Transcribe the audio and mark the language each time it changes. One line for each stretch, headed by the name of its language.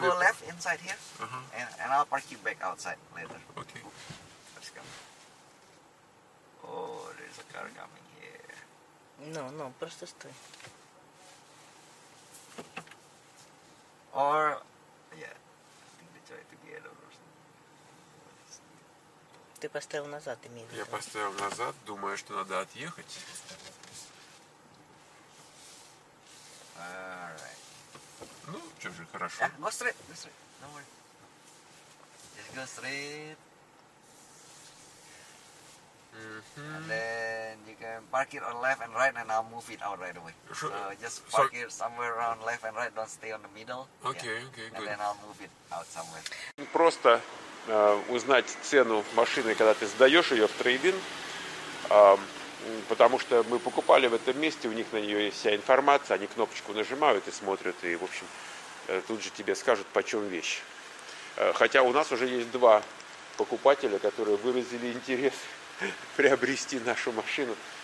English: go you left inside here, and I'll park you back outside later. Okay. Let's come. Oh, there's a car coming here. No, just stay. Or, yeah, I think they try to get over.
Russian: Ты поставил назад, имею в виду. Я поставил назад, думаю, что надо отъехать.
English: Alright.
Russian: Ну, что же, хорошо.
English: Yeah, go straight. Don't worry. Just go straight. And then you can park it on left and right, and I'll move it out right away. So just park it somewhere around left and right. Don't stay on the middle. Okay, good. And then I'll move it out somewhere.
Russian: Просто узнать цену машины, когда ты сдаешь ее в трейдинг. Потому что мы покупали в этом месте, у них на нее есть вся информация, они кнопочку нажимают и смотрят, и, в общем, тут же тебе скажут, почем вещь. Хотя у нас уже есть два покупателя, которые выразили интерес приобрести нашу машину.